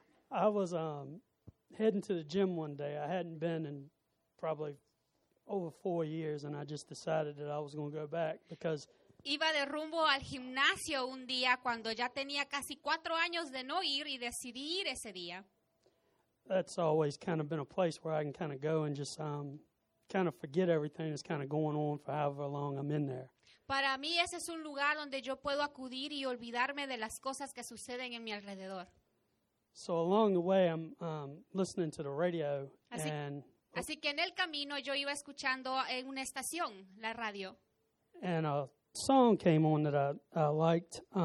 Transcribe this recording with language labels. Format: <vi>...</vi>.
<en>I was heading to the gym one day. I hadn't been in probably over 4 years, and I just decided that I was going to go back because.</en> <es>Iba de rumbo al gimnasio un día cuando ya tenía casi 4 años de no ir y decidí ir ese día.</es> <en>That's always kind of been a place where I can kind of go and just kind of forget everything that's kind of going on for however long I'm in there.</en> <es>Para mí ese es un lugar donde yo puedo acudir y olvidarme de las cosas que suceden en mi alrededor.</es> <en>So along the way I'm listening to the radio.</en> <es>Así que en el camino yo iba escuchando en una estación la radio.</es> <en>And a song came on that I liked.</en>